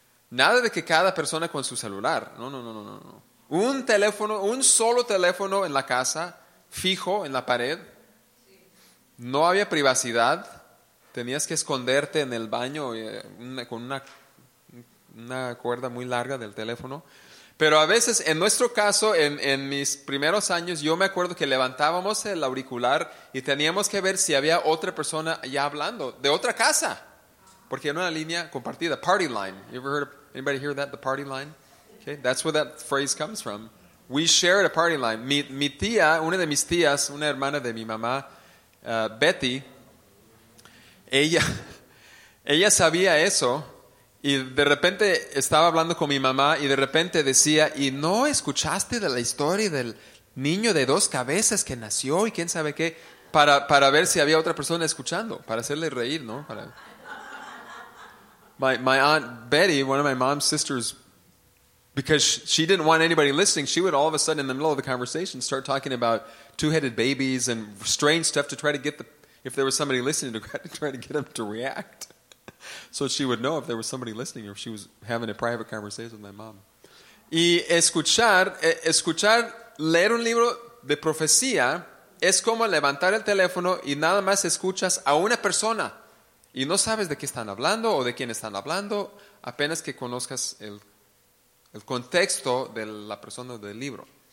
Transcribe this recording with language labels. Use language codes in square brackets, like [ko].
[es] nada de que cada persona con su celular, no, un teléfono, un solo teléfono en la casa, fijo en la pared, no había privacidad, tenías que esconderte en el baño con una cuerda muy larga del teléfono. Pero a veces, en nuestro caso, en mis primeros años, yo me acuerdo que levantábamos el auricular y teníamos que ver si había otra persona ya hablando de otra casa, porque era una línea compartida, party line. [en] You ever heard of, anybody hear that, the party line? Okay, that's where that phrase comes from. We shared a party line. [es] Mi tía, una de mis tías, una hermana de mi mamá, Betty, ella sabía eso. Y de repente estaba hablando con mi mamá y de repente decía, ¿y no escuchaste de la historia del niño de dos cabezas que nació y quién sabe qué? Para ver si había otra persona escuchando, para hacerle reír, ¿no? [en] My aunt Betty, one of my mom's sisters, because she didn't want anybody listening, she would all of a sudden in the middle of the conversation start talking about two-headed babies and strange stuff to try to get if there was somebody listening, to try to get them to react. So she would know if there was somebody listening or if she was having a private conversation with my mom. [es] Y escuchar, leer un libro de profecía es como levantar el teléfono y nada más escuchas a una persona y no sabes de qué están hablando o de quién están hablando, apenas que conozcas el contexto de la persona del libro.